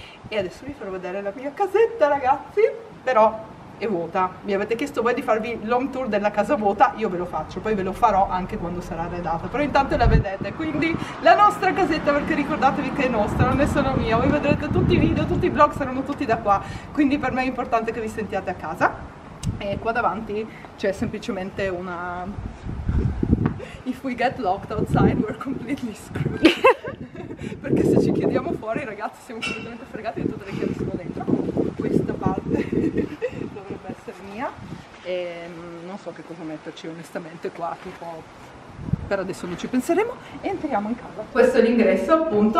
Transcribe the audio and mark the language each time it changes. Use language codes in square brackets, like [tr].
[it] e adesso vi farò vedere la mia casetta ragazzi, però è vuota, mi avete chiesto voi di farvi l'home tour della casa vuota, io ve lo faccio, poi ve lo farò anche quando sarà arredata, però intanto la vedete, quindi la nostra casetta, perché ricordatevi che è nostra, non è solo mia, voi vedrete tutti i video, tutti i vlog saranno tutti da qua, quindi per me è importante che vi sentiate a casa. E qua davanti c'è semplicemente una... [en] If we get locked outside, we're completely screwed. [it] Perché se ci chiediamo fuori, ragazzi, siamo completamente fregati di tutte le chiavi sono dentro. Questa parte dovrebbe essere mia. E non so che cosa metterci onestamente qua, tipo... Per adesso non ci penseremo e entriamo in casa. Questo è l'ingresso, appunto.